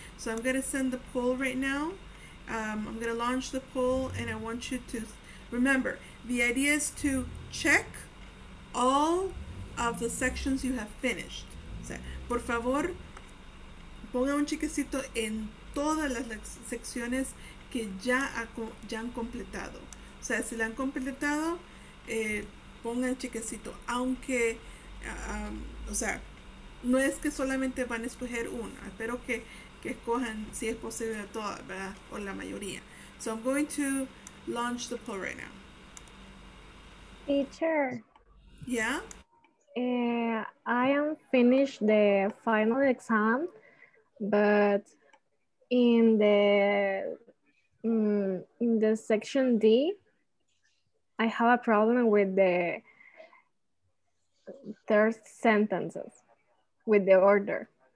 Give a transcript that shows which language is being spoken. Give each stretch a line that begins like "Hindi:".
English: So I'm gonna send the poll right now. I'm gonna launch the poll, and I want you to remember, the idea is to check all of the sections you have finished.
Spanish: O sea, por favor, ponga un chequecito en todas las secciones que ya han completado. O sea, si la han completado, ponga el chequecito. Aunque, o sea, no es que solamente van a escoger una. Espero que escojan, si es posible, todas, ¿verdad? O la mayoría.
English: So I'm going to launch the poll right now. Teacher. Yeah. I am finished the final exam, but in the section D, I have a problem with the third sentences, with the order.